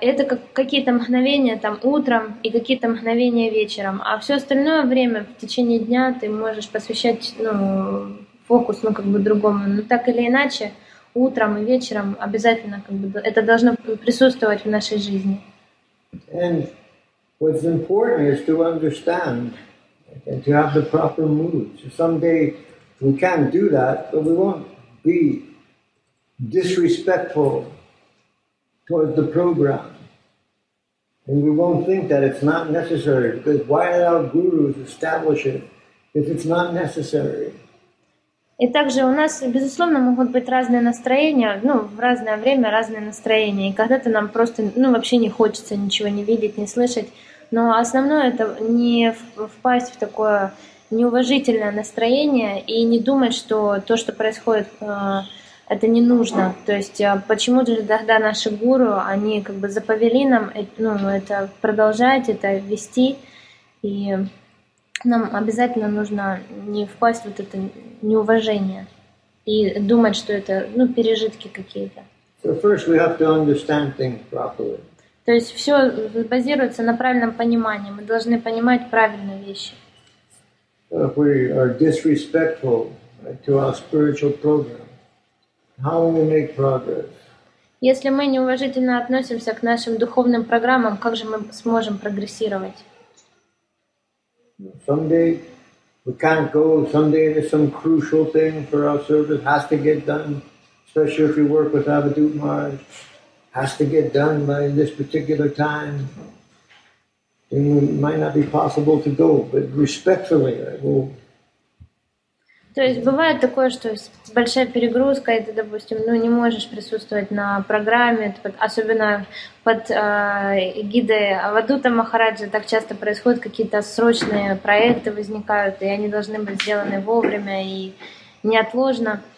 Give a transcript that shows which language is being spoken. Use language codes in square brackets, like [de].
[ru] Это как какие-то мгновения там утром и какие-то мгновения вечером. А все остальное время в течение дня ты можешь посвящать, ну, фокус, ну, как бы другому. Но так или иначе, утром и вечером обязательно как бы это должно присутствовать в нашей жизни. [en] And what's important is to understand and to have the proper mood. So someday we can do that, but we won't be disrespectful towards the program. And we won't think that it's not necessary, because why did our gurus establish it if it's not necessary? [ru] И также у нас, безусловно, могут быть разные настроения, ну, в разное время разные настроения. И когда-то нам просто, ну, вообще не хочется ничего не видеть, не слышать. Но основное — это не впасть в такое неуважительное настроение и не думать, что то, что происходит, это не нужно. То есть почему же тогда наши гуру, они как бы заповели нам, ну, это продолжать, это вести. И нам обязательно нужно не впасть в вот это неуважение и думать, что это, ну, пережитки какие-то. [en] So first we have to understand things properly. [ru] То есть все базируется на правильном понимании. Мы должны понимать правильные вещи. [en] We are disrespectful to our spiritual program. How will we make progress? [ru] Если мы неуважительно относимся к нашим духовным программам, как же мы сможем прогрессировать? [en] Someday we can't go. Someday there's some crucial thing for our service has to get done, especially if we work with Avadhut Maharaj. Has to get done by this particular time. It might not be possible to go, but respectfully, I will. [ru] То есть бывает такое, что большая перегрузка, и ты, допустим, ну не можешь присутствовать на программе, особенно под эгидой Авадута Махараджа, так часто происходит, какие-то срочные проекты возникают, и они должны быть сделаны вовремя и неотложно.